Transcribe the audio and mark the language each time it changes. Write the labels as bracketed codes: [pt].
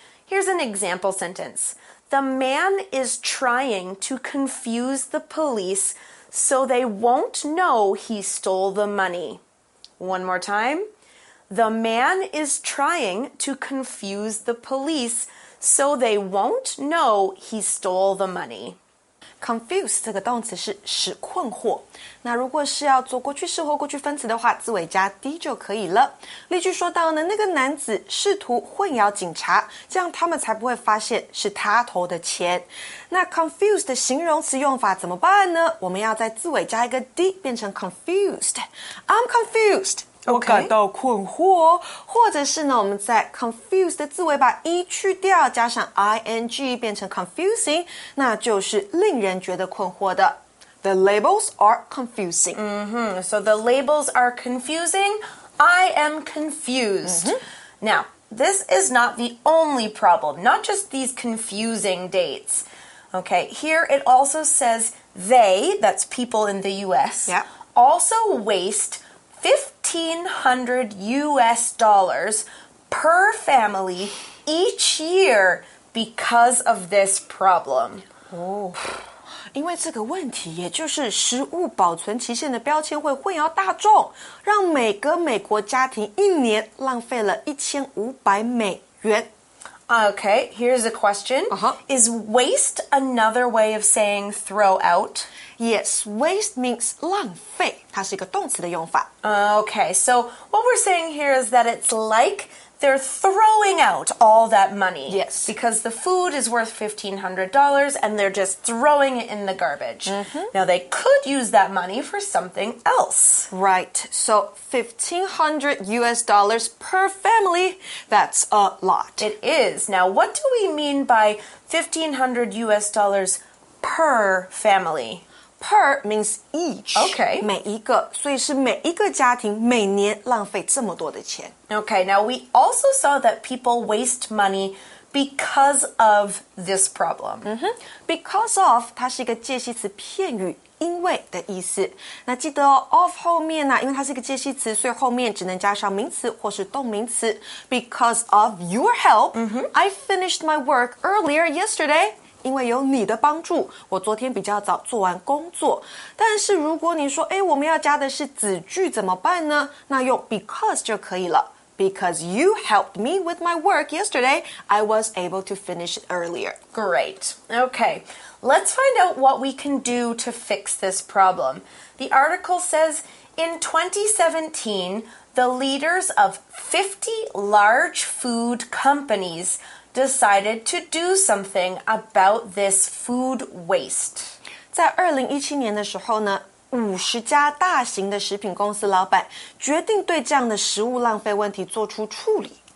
[en] Here's an example sentence. The man is trying to confuse the police so they won't know he stole the money. One more time. The man is trying to confuse the police. So they won't know he stole the money. [zh] Confuse 这个动词是使困惑。那如果是要做过去式或过去分词的话，字尾加 d 就可以了。例句说到呢，那个男子试图混淆警察，这样他们才不会发现是他偷的钱。那 confuse 的形容词用法怎么办呢？我们要在字尾加一个 d 变成 confused. [en] I'm confused. Okay. [zh] 我感到困惑，或者是呢，我们在 confuse 的字尾把 e 去掉，加上 ing 变成 confusing， 那就是令人觉得困惑的。 [en] The labels are confusing. Mm-hmm. So the labels are confusing. I am confused. Mm-hmm. Now, this is not the only problem. Not just these confusing dates. Okay. Here it also says they—that's people in the U.S.—also、 yeah. waste 1500 US dollars per family each year because of this problem. Oh, [zh] 因为这个问题，也就是食物保存期限的标签会混淆大众，让每个美国家庭一年浪费了$1,500。 [en] Okay, here's a question. Is waste another way of saying throw out? Yes, waste means [zh] 浪费，它是一个动词的用法。 [en] Okay, so what we're saying here is that it's like they're throwing out all that money. Yes. Because the food is worth $1,500 and they're just throwing it in the garbage. Mm-hmm. Now, they could use that money for something else. Right. So, $1,500 per family, that's a lot. It is. Now, what do we mean by $1,500 per family? Per means each. Okay. [zh] 每一个，所以是每一个家庭每年浪费这么多的钱。 [en] Okay, now we also saw that people waste money because of this problem. [zh] Mm-hmm. Because of, 它是一个介系词片语，因为的意思。那记得哦 of 后面呢、啊，因为它是一个介系词，所以后面只能加上名词或是动名词。 [en] Because of your help,、 mm-hmm. I finished my work earlier yesterday. [zh] 因为有你的帮助，我昨天比较早做完工作。但是如果你说，哎，我们要加的是子句怎么办呢？那用 because 就可以了。 [en] Because you helped me with my work yesterday, I was able to finish earlier. Great. Okay, let's find out what we can do to fix this problem. The article says, in 2017, the leaders of 50 large food companiesDecided to do something about this food waste. [zh] 在2017年的时候呢，50家大型的食品公司老板决定对这样的食物浪费问题做出处理。